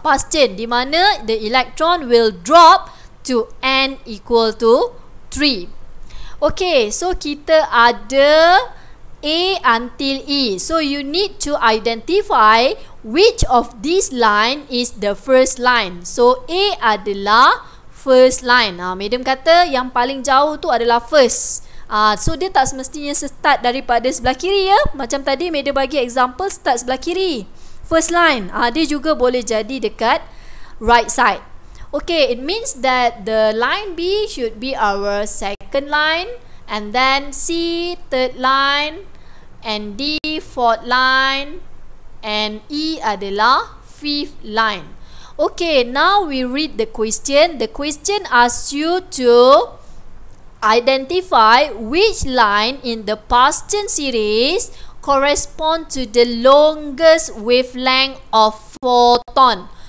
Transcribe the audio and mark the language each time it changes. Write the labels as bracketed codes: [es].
[en] Bohr's, [ms] di mana [en] the electron will drop to n equal to 3. [ms] Okay, so kita ada A until E. [en] So you need to identify which of this line is the first line. [ms] So A adalah first line. Madam kata yang paling jauh tu adalah first. So dia tak semestinya start daripada sebelah kiri ya. Macam tadi madam bagi example start sebelah kiri. [en] First line. [ms] Dia juga boleh jadi dekat right side. [en] Okay, it means that the line B should be our second line, and then C third line, and D fourth line, and E adalah fifth line. Okay, now we read the question. The question asks you to identify which line in the Bohr's series correspond to the longest wavelength of photon.